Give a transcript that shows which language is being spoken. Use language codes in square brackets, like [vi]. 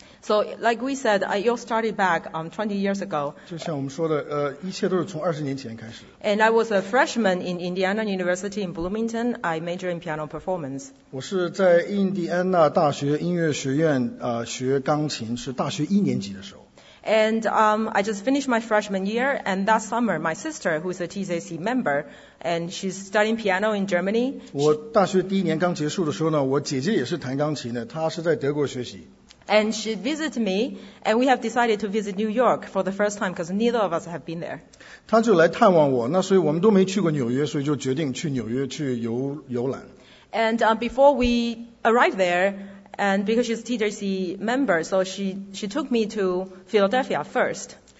[en] So like we said, you all started back 20 years ago. [zh] 就像我们说的, 一切都是从20年前开始。 [en] And I was a freshman in Indiana University in Bloomington. I majored in piano performance. [zh] 我是在印第安纳大学音乐学院, 学钢琴，是大学一年级的时候。 [en] And I just finished my freshman year, and that summer, my sister, who is a TCAC member, and she's studying piano in Germany. [zh] 我大学第一年刚结束的时候呢，我姐姐也是弹钢琴的，她是在德国学习。 [en] And she visited me, and we have decided to visit New York for the first time because neither of us have been there. [zh] 她就来探望我，那所以我们都没去过纽约，所以就决定去纽约去游览。 [en] And before we arrived there, and because she's a TJC member, so she took me to Philadelphia first.